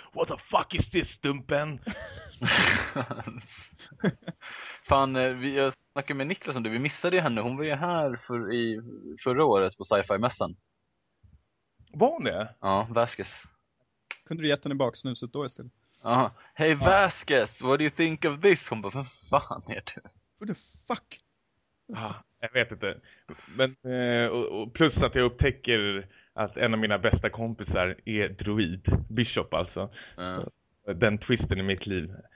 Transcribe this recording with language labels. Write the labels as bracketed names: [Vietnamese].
[English] What the fuck is this, stumpen? [Swedish] Fan, jag snackar med Niklas om det. Vi missade ju henne. Hon var ju här förra året på sci-fi-mässan. Var det? Ja, Vascus. Kunde du gett henne baksnuset då istället? Ja. [English] Hey Vascus, what do you think of this? [Swedish] Hon bara, vad fan är du? [English] What the fuck? [Swedish] Ja, jag vet inte. Men, och plus att jag upptäcker att en av mina bästa kompisar är droid. Bishop alltså. Den twisten i mitt liv.